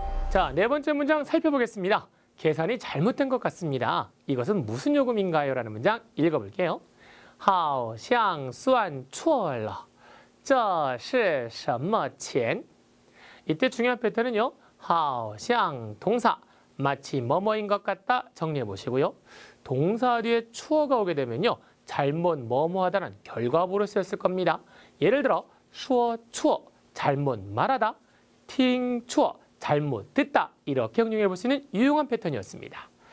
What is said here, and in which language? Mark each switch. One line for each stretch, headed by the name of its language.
Korean: 자, 네 번째 문장 살펴보겠습니다. 계산이 잘못된 것 같습니다. 이것은 무슨 요금인가요? 라는 문장 읽어볼게요.
Chinese: 好像算错了.这是什么钱?
Korean: 이때 중요한 패턴은요. 好像 동사, 마치 뭐뭐인 것 같다 정리해 보시고요. 동사 뒤에 추어가 오게 되면요. 잘못 뭐뭐하다는 결과부로 쓰였을 겁니다. 예를 들어, 说错, 잘못 말하다, 听错, 잘못 듣다 이렇게 응용해 볼 수 있는 유용한 패턴이었습니다.